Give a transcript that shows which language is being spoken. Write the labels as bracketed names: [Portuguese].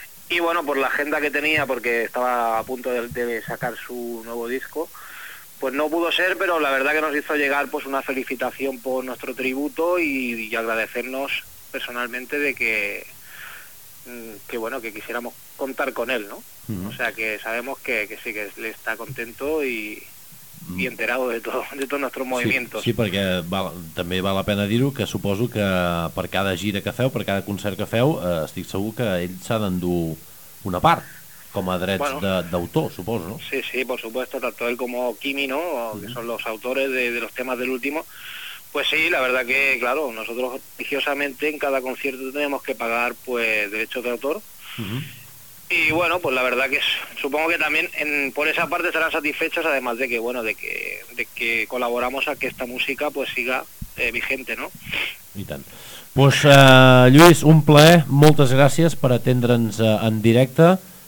[Spanish] Y bueno, por la agenda que tenía, porque estaba a punto de sacar su nuevo disco, pues no pudo ser, pero la verdad que nos hizo llegar pues una felicitación por nuestro tributo y agradecernos personalmente de que bueno, que quisiéramos contar con él, ¿no? Uh-huh. O sea, que sabemos que sí, que le está contento y enterado de todos nuestros movimientos. [Catalan] Sí, perquè també val la pena dir-ho, que suposo que per cada gira que feu, per cada concert que feu, estic segur que ell s'ha d'endur una part, com a drets, bueno, d'autor, suposo. [Spanish] Sí, por supuesto, tanto él como Kimi, ¿no? Uh-huh. Que son los autores de los temas del último. Pues sí, la verdad que, claro, nosotros religiosamente en cada concierto tenemos que pagar pues derechos de autor. Uh-huh. Y bueno, pues la verdad que supongo que también por esa parte estarán satisfechos, además de que, bueno, de que colaboramos a que esta música pues siga vigente, ¿no? [Catalan] I tant. Pues Lluís, un plaer, moltes gràcies per atendre'ns en directe.